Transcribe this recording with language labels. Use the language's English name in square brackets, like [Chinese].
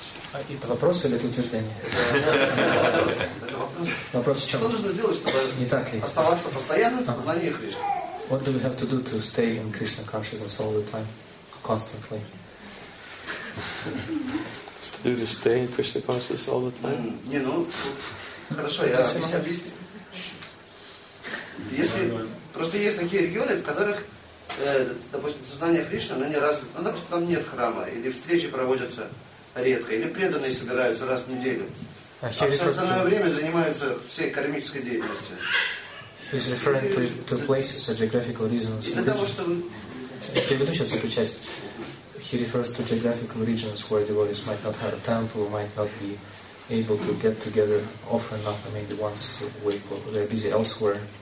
[Russian] А это вопрос или это утверждение? Это вопрос. Вопрос в чем? Что нужно сделать, чтобы оставаться постоянно в сознании Кришны? [English] What do we have to do to stay in Krishna consciousness all the time, constantly? To do to stay in Krishna consciousness all the time? [Russian] Не, ну, хорошо, я объясню. Если просто есть такие регионы, в которых, допустим, сознание Кришны, оно не развито, допустим, там нет храма, или встречи проводятся редко, или преданные собираются раз в неделю. А все остальное время занимаются всей кармической деятельностью. [English] He's referring to places or geographical reasons. He refers to geographical regions where devotees might not have a temple, might not be able to get together often enough, maybe once a week, or they're busy elsewhere.